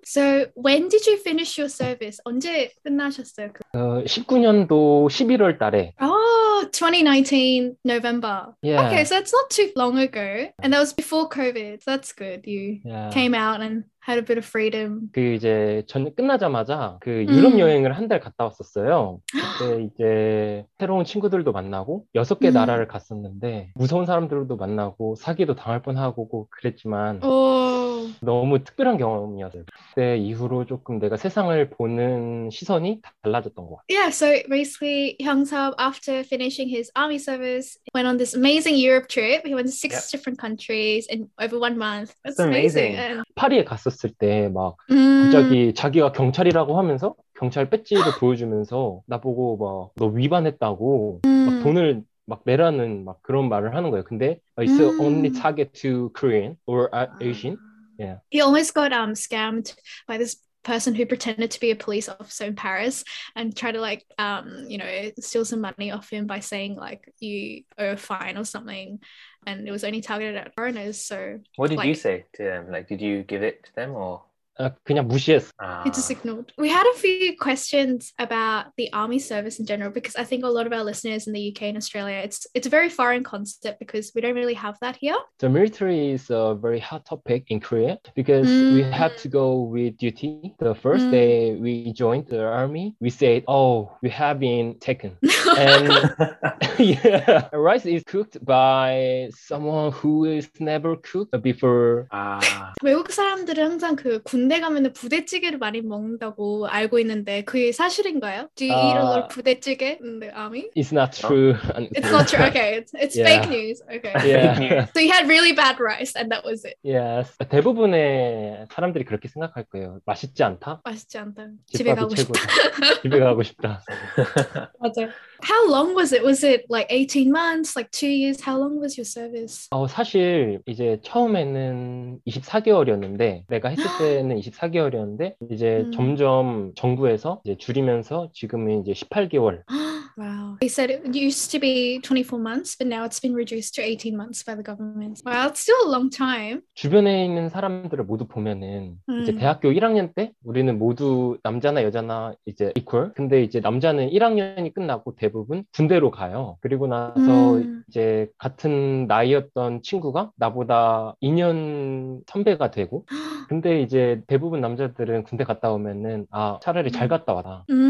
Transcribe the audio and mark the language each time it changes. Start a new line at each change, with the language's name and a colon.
English: So when did you finish your service?
Korean: 언제 끝나셨어요? 19년도 11월 달에.
English: Oh! 2019 November. Yeah. Okay, so it's not too long ago. And that was before COVID. So that's good. Came out and had a bit of freedom.
Korean: 그 이제 전 끝나자마자 그 유럽 여행을 한 달 갔다 왔었어요. 그때 이제 새로운 친구들도 만나고 여섯 개 나라를 갔었는데 무서운 사람들도 만나고 사기도 당할 뻔하고 그랬지만 너무 특별한 경험이었어요. 그때 이후로 조금 내가 세상을 보는 시선이 달라졌던 것 같아요.
English: Yeah, so basically, HyungSeop, after finishing his army service, went on this amazing Europe trip. He went to six different countries in over 1 month. That's amazing. Yeah.
Korean: 파리에 갔었을 때 막 갑자기 자기가 경찰이라고 하면서 경찰 배지를 보여주면서 나보고 막 너 위반했다고 막 돈을 막 내라는 막 그런 말을 하는 거예요. 근데
English: it's only target to Korean or Asian. Yeah. He almost got scammed by this person who pretended to be a police officer in Paris and tried to like steal some money off him by saying like you owe a fine or something, and it was only targeted at foreigners. So what did you say to them? Like, did you give it to them or?
Korean: 그냥 무시했어.
English: He just ignored. We had a few questions about the army service in general because I think a lot of our listeners in the UK and Australia, it's a very foreign concept because we don't really have that here. The military is a very hot topic in Korea because we had to go with duty. The first day we joined the army, we said, oh, we have been taken. And yeah, rice is cooked by someone who is never cooked before.
Korean: 외국 사람들은 항상 그 군대 가면 부대찌개를 많이 먹는다고 알고 있는데 그게 사실인가요?
English: Do you eat a lot of 부대찌개 in the army? It's not true. It's not true. Okay. It's fake news. Okay. Yeah. So you had really bad rice and that was it. Yes.
Korean: 대부분의 사람들이 그렇게 생각할 거예요. 맛있지 않다? 맛있지 않다. 집에 가고 싶다. 집에 가고 싶다. 맞아요.
English: How long was it? Was it like 18 months, like 2 years? How long was your service?
Korean: 사실 이제 처음에는 24개월이었는데 내가 했을 때는 24개월이었는데 이제 점점 정부에서 이제 줄이면서 지금은 이제 18개월.
English: Wow. They said it used to be 24 months, but now it's been reduced to 18 months by the government. Wow, it's still a long time.
Korean: 주변에 있는 사람들을 모두 보면은 이제 대학교 1학년 때 우리는 모두 남자나 여자나 이제 equal. 근데 이제 남자는 1학년이 끝나고 대부분 군대로 가요. 그리고 나서 이제 같은 나이였던 친구가 나보다 2년 선배가 되고 근데 이제 대부분 남자들은 군대 갔다 오면은 아 차라리 잘 갔다 와라.